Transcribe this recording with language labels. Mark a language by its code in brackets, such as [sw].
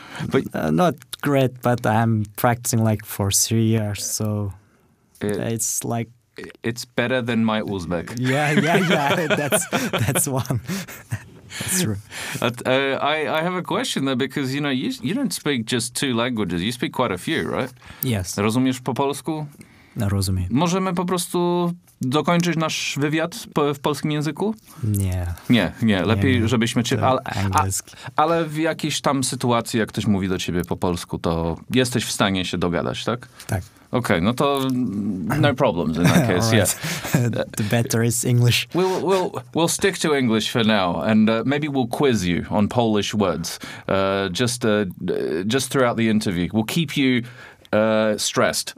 [en] But not great, but I'm practicing like for 3 years, so it's like it's better than my Uzbek. Yeah. That's one. That's true. I have a question though, because you know you don't speak just two languages. You speak quite a few, right? Yes. [pl] Rozumiesz po polsku? No, rozumiem. Możemy po prostu dokończyć nasz wywiad w polskim języku? Nie. Lepiej, nie. Żebyśmy cię... Ale w jakiejś tam sytuacji, jak ktoś mówi do ciebie po polsku, to jesteś w stanie się dogadać, tak? Tak. [en] Okay, [pl] no to [en] no problems in that case. All right. Yeah. The better is English. We'll stick to English for now, and maybe we'll quiz you on Polish words just throughout the interview. We'll keep you... stressed.